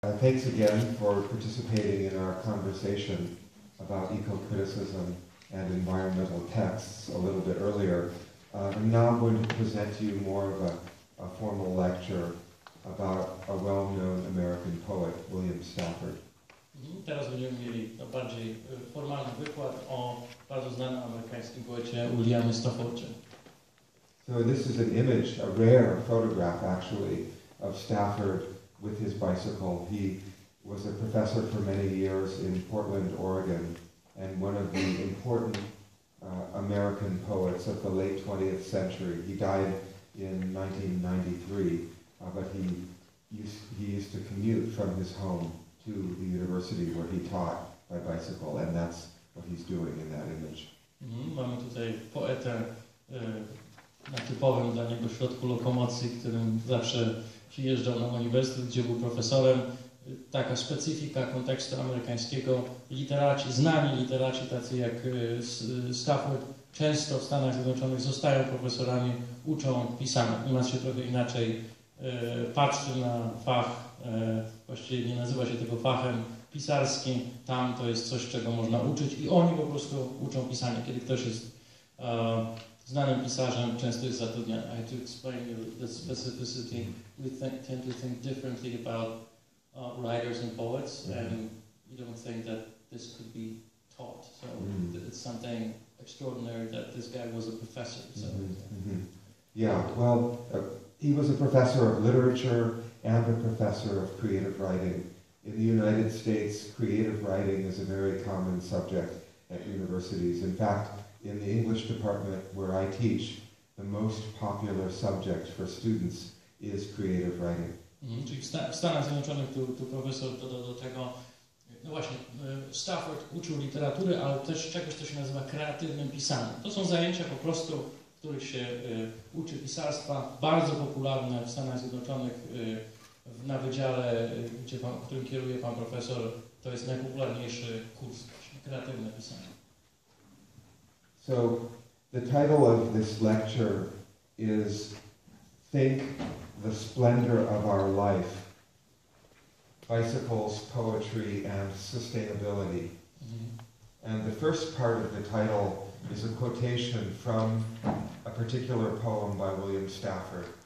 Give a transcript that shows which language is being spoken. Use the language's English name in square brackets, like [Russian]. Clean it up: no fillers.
[English] Thanks again for participating in our conversation about eco-criticism and environmental texts a little bit earlier. Now I'm going to present to you more of a formal lecture about a well-known American poet, William Stafford. [Polish] Teraz będziemy mieli bardziej formalny wykład o bardzo znanym amerykańskim poecie Williamie Staffordzie. [English] So this is an image, a rare photograph actually, of Stafford with his bicycle. He was a professor for many years in Portland, Oregon, and one of the important American poets of the late 20th century. He died in 1993, but he used to commute from his home to the university where he taught by bicycle, and that's what he's doing in that image. [Polish] Mamy tutaj poetę na typowym dla niego środku lokomocji, którym zawsze przyjeżdżał na uniwersytet, gdzie był profesorem. Taka specyfika kontekstu amerykańskiego. Literaci, znani literaci, tacy jak Stafford, często w Stanach Zjednoczonych zostają profesorami, uczą pisania. U nas się trochę inaczej patrzy na fach, właściwie nie nazywa się tego fachem pisarskim. Tam to jest coś, czego można uczyć i oni po prostu uczą pisania. Kiedy ktoś jest znanym pisarzem, często jest zatrudniany. [English] I to explain you the specificity. We tend to think differently about writers and poets, mm-hmm. and you don't think that this could be taught. So it's something extraordinary that this guy was a professor. So. Mm-hmm. Yeah, well, he was a professor of literature and a professor of creative writing. In the United States, creative writing is a very common subject at universities. In fact, in the English department where I teach, the most popular subject for students is creative writing. Mm-hmm. [Polish] Czyli w Stanach Zjednoczonych tu profesor dodał do tego, no właśnie, Stafford uczył literatury, ale też czegoś, co się nazywa kreatywnym pisaniem. To są zajęcia po prostu, w których się uczy pisarstwa, bardzo popularne w Stanach Zjednoczonych, na wydziale, którym kieruje pan profesor, to jest najpopularniejszy kurs, kreatywne pisanie. [English] So, the title of this lecture is Think the Splendor of Our Life, Bicycles, Poetry, and Sustainability. Mm-hmm. And the first part of the title is a quotation from a particular poem by William Stafford.